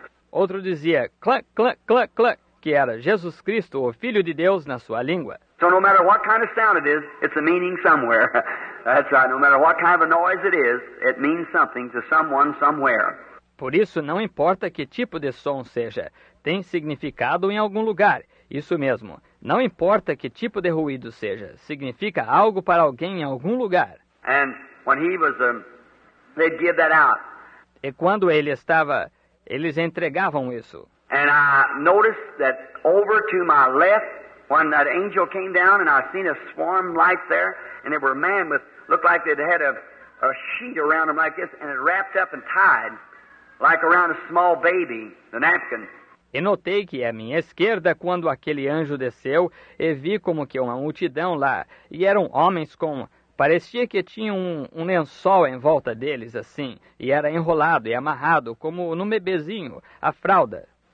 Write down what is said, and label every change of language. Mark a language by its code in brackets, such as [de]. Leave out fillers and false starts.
[pt] Outro dizia, cluck, cluck, cluck, cluck, que era Jesus Cristo, o Filho de Deus, na sua língua. [en] So no matter what kind of sound it is, it's a meaning somewhere. That's right. No matter what kind of a noise it is, it means something to someone somewhere. [pt] Por isso, não importa que tipo de som seja, tem significado em algum lugar. Isso mesmo. Não importa que tipo de ruído seja, significa algo para alguém em algum lugar. [en] And when he was, they'd give that out. [pt] E quando ele estava, eles entregavam isso. [en] And I noticed that over to my left, when that angel came down, and I seen a swarm light there, and there were men with looked like they'd had a sheet around them like this, and it wrapped up and tied, like around a small baby, the napkin. [pt] E notei que à minha esquerda, quando aquele anjo desceu, e vi como que uma multidão lá, e eram homens com... Parecia que tinha um lençol em volta deles, assim, e era enrolado e amarrado, como num bebezinho, a fralda.